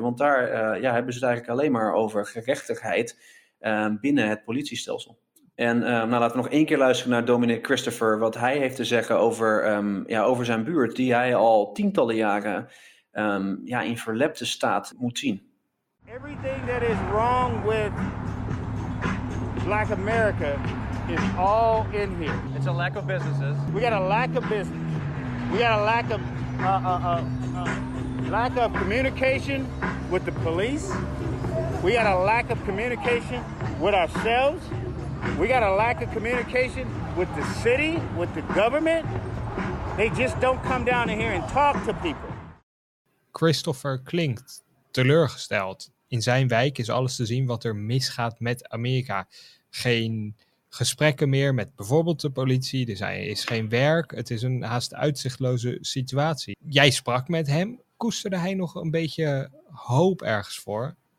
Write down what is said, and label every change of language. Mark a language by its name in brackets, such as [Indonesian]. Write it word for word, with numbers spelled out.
[Dutch] Want daar uh, ja, hebben ze het eigenlijk alleen maar over gerechtigheid binnen het politiestelsel. En uh, nou, laten we nog één keer luisteren naar dominee Christopher, wat hij heeft te zeggen over, um, ja, over zijn buurt, die hij al tientallen jaren um, ja, in verlepte staat moet zien. [English] Everything that is wrong with black America is all in here. It's a lack of businesses. We got a lack of business. We got a lack of uh, uh, uh, uh, lack of communication with the police. We got a lack of communication with ourselves. We got a lack of communication with the city, with the government. They just don't come down in here and talk to people. [Dutch] Christopher klinkt teleurgesteld. In zijn wijk is alles te zien wat er misgaat met Amerika. Geen gesprekken meer met bijvoorbeeld de politie. Er is geen werk. Het is een haast uitzichtloze situatie. Jij sprak met hem. Koesterde hij nog een beetje hoop ergens voor?